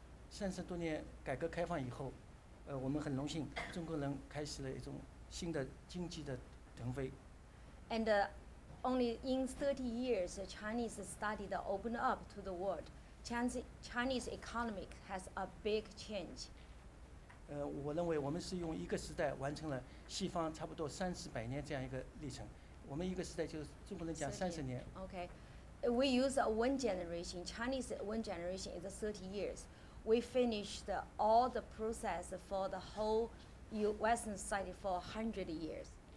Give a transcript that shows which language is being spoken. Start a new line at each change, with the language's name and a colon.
Chinese: 三十多年改革开放以后，我们很荣幸，中国人开始了一种新的经济的腾飞。
English: And only in 30 years, Chinese started open up to the world. Chinese economy has a big change.
Chinese: 我认为我们是用一个时代完成了西方差不多三四百年这样一个历程。我们一个时代就是中国人讲三十年。
English: Okay. We use one generation, Chinese one generation is 30 years. We finished all the process for the whole Western society for 100 years.